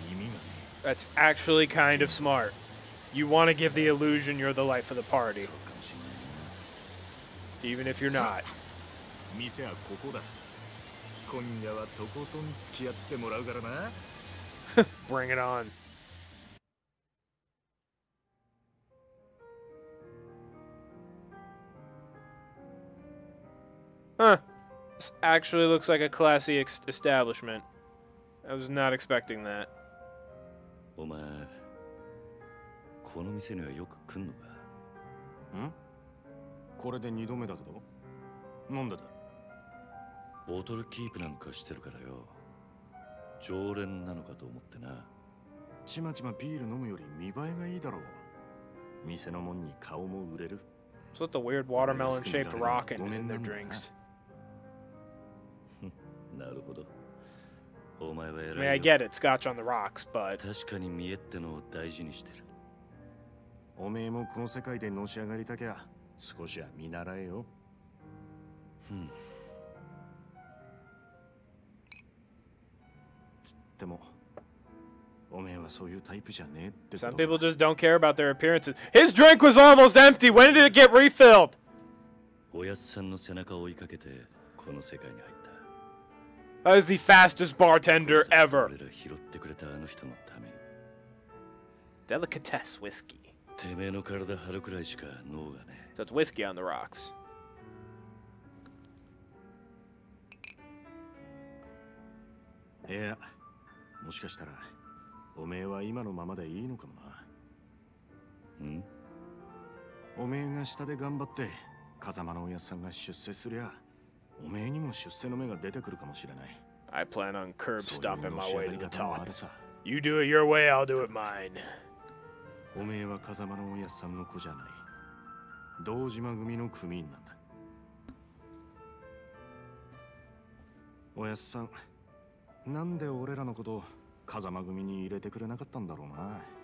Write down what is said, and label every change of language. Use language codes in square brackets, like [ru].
[ja] 組の上にいる兄貴たちは基本的に女にモテない。あの人たちは見るからにヤクザでございますって格好してるからな。それはなんだ。だから兄貴たちと飲む時いろんな女連れてくと、それだけで小遣いくれるし、俺の組での覚えもめでたくなる。 [en] That's actually kind of smart. You want to give the illusion you're the life of the party. Even if you're not. Bring it on. Huh. This actually looks like a classy establishment. I was not expecting that. [ja] この店にはよく来んのか。ん？これで二度目だけど。なんでだ。ボトルキープなんかしてるからよ。常連なのかと思ってな。ちまちまビール飲むより見栄えがいいだろう。店のもんに顔も売れる。 [en] So it's a weird watermelon shaped rock in their drinks. [ja] なるほど。お前は偉い。 [en] I mean, I get it, scotch on the rocks, but [ja] 確かに見えってのを大事にしてる。おめえもこの世界でのし上がりたきゃ、少しは見習えよ。つっても、おめえはそういうタイプじゃねえってことだ。 [en] Some people just don't care about their appearances. His drink was almost empty. When did it get refilled? [ja] おやすさんの背中を追いかけて、この世界に入った。 [en] That is the fastest bartender ever. [ja] 俺ら拾ってくれたあの人のために。 [en] Delicatess whiskey. [ja] てめえの体張るくらいしか脳がねえ。 [en] So it's whiskey on the rocks. [ja] いや、もしかしたら、おめえは今のままでいいのかもな。ん？おめえが下で頑張って、風間のおやさんが出世すりゃ、おめえにも出世の目が出てくるかもしれない。 [en] I plan on curb stomping my way to the top. You do it your way, I'll do it mine. [ja] おめえは風間のおやすさんの子じゃない。堂島組の組員なんだ。おやすさん、なんで俺らのことを風間組に入れてくれなかったんだろうな。